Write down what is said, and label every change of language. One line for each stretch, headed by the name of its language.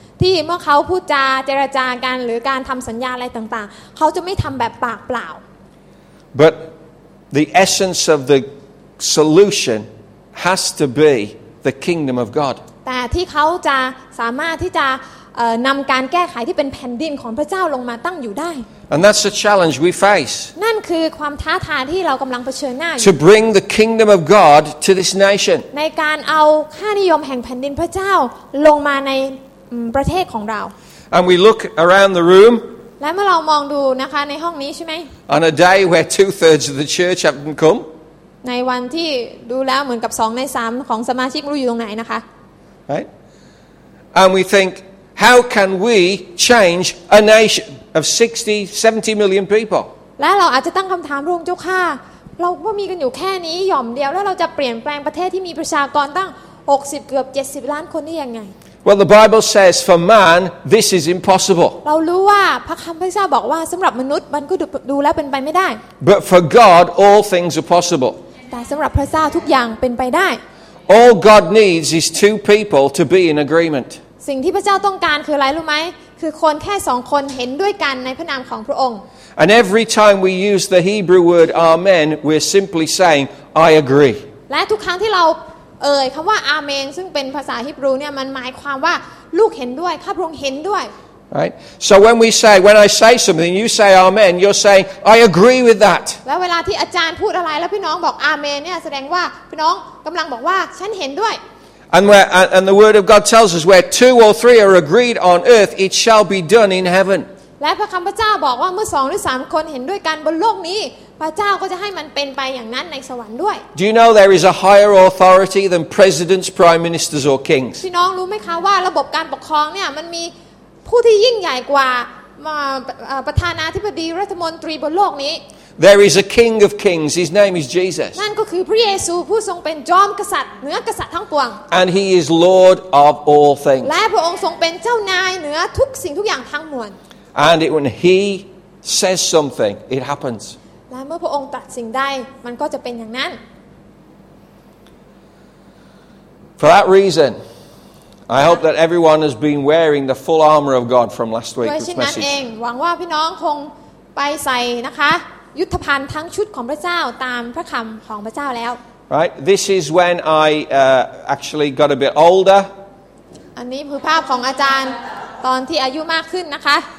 Thai: ที่เมื่อเขาพูดจาเจรจากันหรือการทำสัญญาอะไรต่างๆเขาจะไม่ทำแบบปากเปล่า
English: But the essence of the solution has to be the kingdom of God
Thai: แต่ที่เขาจะสามารถที่จะนำการแก้ไขที่เป็นแผ่นดินของพระเจ้าลงมาตั้งอยู่ได้
English: And that's the challenge we face
Thai: นั่นคือความท้าทายที่เรากำลังเผชิญหน้า
English: To bring the kingdom of God to this nation
Thai: ในการเอาค่านิยมแห่งแผ่นดินพระเจ้าลงมาในประเทศของเรา
English: And we look around the room
Thai: และเมื่อเรามองดูนะคะในห้องนี้ใช่ไหม
English: On a day where 2/3 of the church haven't come
Thai: ในวันที่ดูแล้วเหมือนกับ2ใน3ของสมาชิกรู้อยู่ตรงไหนนะคะ
English: Right And we think how can we change a nation of 60-70 million people
Thai: และเราอาจจะตั้งคำถามร่วมเจ้าค่ะเราก็มีกันอยู่แค่นี้หย่อมเดียวแล้วเราจะเปลี่ยนแปลงประเทศที่มีประชากรตั้ง60เกือบ70ล้านคนได้ยังไง
English: Well, the Bible says for man, this is impossible.
Thai: เรารู้ว่าพระคัมภีร์เจ้าบอกว่าสำหรับมนุษย์มันก็ดูแล้วเป็นไปไม่ได้
English: But for God, all things are possible.
Thai: แต่สำหรับพระเจ้าทุกอย่างเป็นไปได้
English: All God needs is two people to be in agreement.
Thai: สิ่งที่พระเจ้าต้องการคืออะไรรู้ไหมคือคนแค่สองคนเห็นด้วยกันในพระนามของพระองค์
English: And every time we use the Hebrew word Amen, we're simply saying I agree.
Thai: และทุกครั้งที่เราเอ่ยคำว่าอาเมนซึ่งเป็นภาษาฮิบรูเนี่ยมันหมายความว่าลูกเห็นด้วยข้าพระองค์เห็นด้วย
English: Right so when we say when I say something you say amen you're saying I agree with that
Thai: แล้วเวลาที่อาจารย์พูดอะไรแล้วพี่น้องบอกอาเมนเนี่ยแสดงว่าพี่น้องกำลังบอกว่าฉันเห็นด้วย
English: And the word of God tells us where two or three are agreed on earth it shall be done in heaven
Thai: และพระคัมภีร์เจ้าบอกว่าเมื่อ2หรือ3คนเห็นด้วยกันบนโลกนี้พระเจ้าก็จะให้มันเป็นไปอย่างนั้นในสวรรค์ด้วย
English: Do you know there is a higher authority than presidents, prime ministers or kings?
Thai: พี่น้องรู้ไหมคะว่าระบบการปกครองเนี่ยมันมีผู้ที่ยิ่งใหญ่กว่าประธานาธิบดีรัฐมนตรีบนโลกนี้
English: There is a king of kings. His name is Jesus.
Thai: นั่นก็คือพระเยซูผู้ทรงเป็นจอมกษัตริย์เหนือกษัตริย์ทั้งปวง
English: And he is lord of all things.
Thai: และพระองค์ทรงเป็นเจ้านายเหนือทุกสิ่งทุกอย่างทั้งมวล
English: And when he says something, it happens.
Thai: และเมื่อพระองค์ตัดสิ่งใดมันก็จะเป็นอย่างนั้น
English: For that reason, I hope that everyone has been wearing the full armor of God from last week's message.
Thai: หวังว่าพี่น้องคงไปใส่นะคะยุทธภัณฑ์ทั้งชุดของพระเจ้าตามพระคำของพระเจ้าแล้ว
English: Right, this is when I actually got a bit older.
Thai: อันนี้คือภาพของอาจารย์ตอนที่อายุมากขึ้นนะคะ